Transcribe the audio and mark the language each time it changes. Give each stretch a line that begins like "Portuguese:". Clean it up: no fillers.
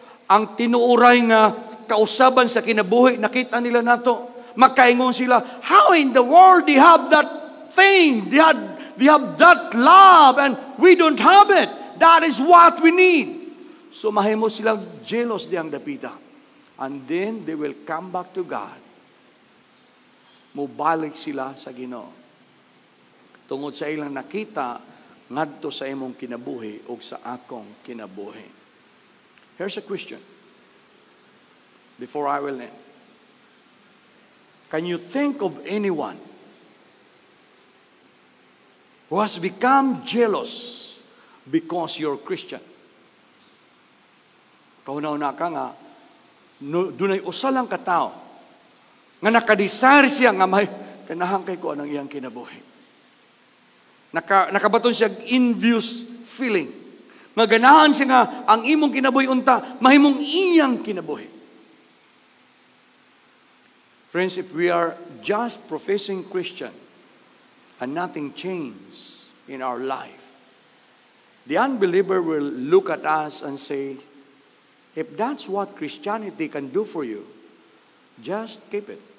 Cebuano: Ang tinuoray nga kausaban sa kinabuhi, nakita nila nato. Makaingon sila,
English: how in the world they have that thing? They have that love and we don't have it. That is what we need. So
Cebuano: mahimo silang jealous diyang dapita.
English: And then they will come back to God.
Cebuano: Mubalik sila sa Ginoo. Tungod sa ilang nakita ngadto sa imong kinabuhi o sa akong kinabuhi.
English: Here's a question. Before I will end. Can you think of anyone who has become jealous because you're Christian?
Cebuano: Kauna-una ka nga, dunay usa lang katao nga nakadesire siya nga may kinahangkay ko ng iyang kinabuhi. Nakabaton siya
English: envious feeling.
Cebuano: Naganahan siya nga ang imong kinabuhi unta, mahimong iyang kinabuhi.
English: Friends, if we are just professing Christian and nothing changes in our life, the unbeliever will look at us and say, if that's what Christianity can do for you, just keep it.